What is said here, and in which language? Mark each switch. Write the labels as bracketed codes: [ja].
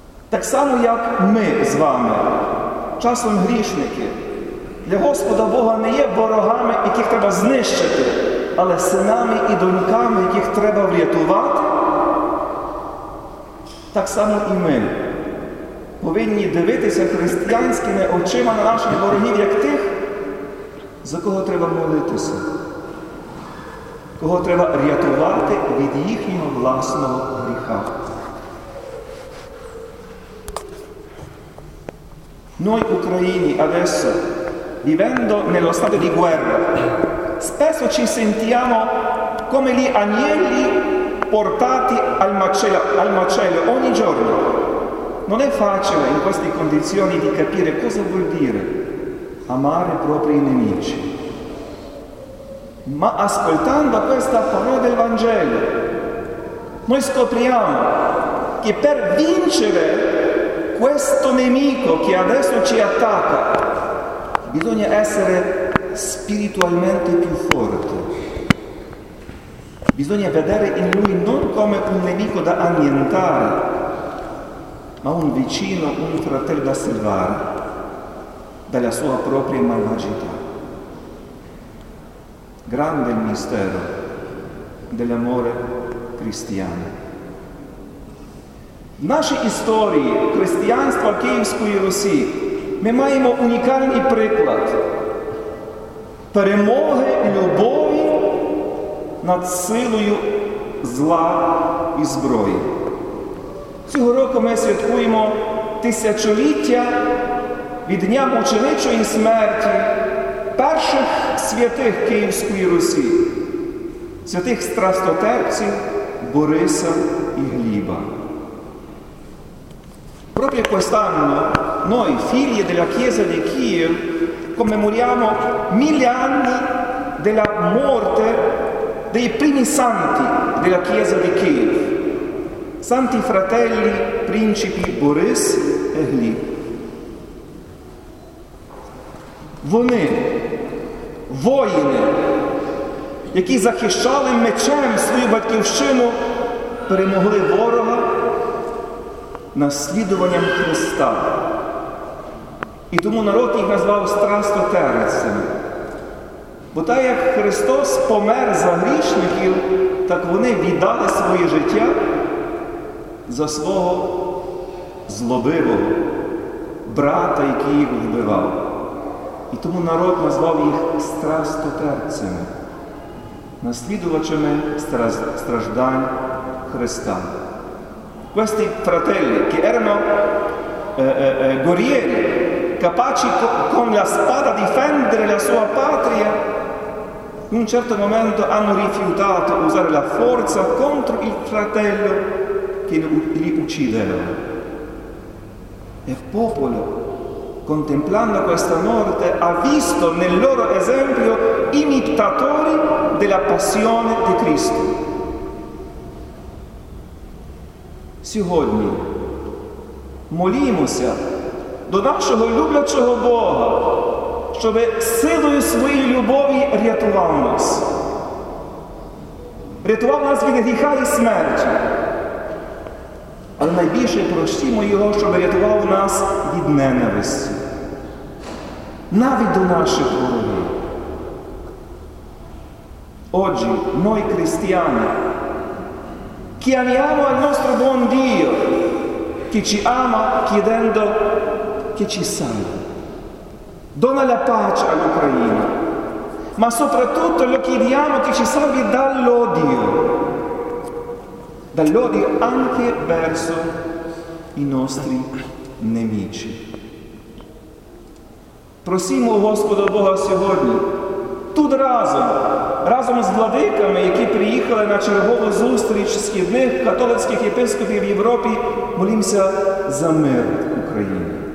[uk] Так само, як ми з вами, часом грішники, для Господа Бога не є ворогами, яких треба знищити, але синами і доньками, яких треба врятувати, так само і ми повинні дивитися християнськими очима на наших ворогів, як тих, за кого треба молитися, кого треба рятувати від їхнього власного гріха. [it] Noi ucraini adesso, vivendo nello stato di guerra, spesso ci sentiamo come gli agnelli portati al macello ogni giorno. Non è facile in queste condizioni di capire cosa vuol dire amare i propri nemici. Ma ascoltando questa parola del Vangelo, noi scopriamo che per vincere questo nemico che adesso ci attacca, bisogna essere spiritualmente più forti. Bisogna vedere in lui non come un nemico da annientare, ma un vicino, un fratello da salvare dalla sua propria malvagità. Grande il mistero dell'amore cristiano. [uk] В нашій історії християнства Київської Русі ми маємо унікальний приклад перемоги любові над силою зла і зброї. Цього року ми святкуємо тисячоліття від дня мученичої смерті перших святих Київської Русі, святих страстотерпців Бориса і Гліба. [it] Proprio quest'anno noi, figli della Chiesa di Kiev, commemoriamo 1000 anni della morte dei primi santi della Chiesa di Kiev, santi fratelli principi Boris e Gliba. [uk] Вони, воїни, які захищали мечем свою батьківщину, перемогли ворога наслідуванням Христа. І тому народ їх назвав страстотерцями. Бо так як Христос помер за грішників, так вони віддали своє життя за свого злобивого брата, який їх вбивав. І тому народ назвав їх страстотерцями, наслідувачами страждань Христа. [it] Questi fratelli che erano guerrieri, capaci con la spada di difendere la sua patria, in un certo momento hanno rifiutato usare la forza contro il fratello che li uccideva. E il popolo, contemplando questa morte, ha visto nel loro esempio imitatori della passione di Cristo. [uk] Сьогодні молімося до нашого люблячого Бога, щоб силою своєї любові рятував нас. Рятував нас від гріха і смерті. Але найбільше просимо Його, щоб рятував нас від ненависті. [it] navido nasce pure lì. Oggi noi cristiani chiamiamo al nostro buon Dio che ci ama chiedendo che ci salvi. Dona la pace all'Ucraina, ma soprattutto lo chiediamo che ci salvi dall'odio. Dall'odio anche verso i nostri nemici. [uk] Просимо Господа Бога сьогодні, тут разом з владиками, які приїхали на чергову зустріч східних католицьких єпископів в Європі, молімося за мир Україні.